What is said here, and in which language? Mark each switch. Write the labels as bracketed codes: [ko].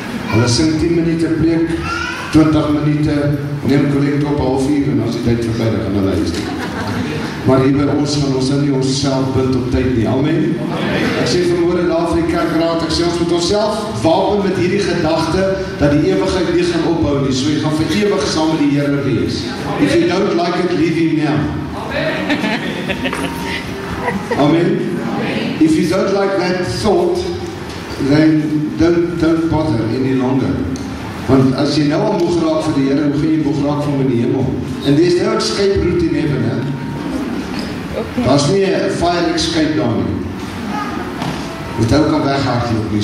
[af] Hulle sing 10 minute preek, 20 minute, neem collect op 3:30 en as die tyd verby, dan gaan hulle huis. Maar hier by ons gaan ons nie ons self bind op tyd nie. Amen. Ek sê vanmorgen daar vir die kerkraad, ek sê ons moet ons self wapen met hierdie gedachte dat die ewigheid nie gaan ophou nie. So jy gaan vir ewig saam met die Here wees. [en] If you don't like it, leave him now. Amen. If you don't like that thought, then don't bother any longer. [af] Want as jy nou al moeg raak vir die Here, hoe gaan jy moeg raak van in die hemel? En daar is nou [en] escape route in heaven, [af] hè? Okay. Daar is nie een fire escape daar nie. Het hou kan weghaak hier op nie.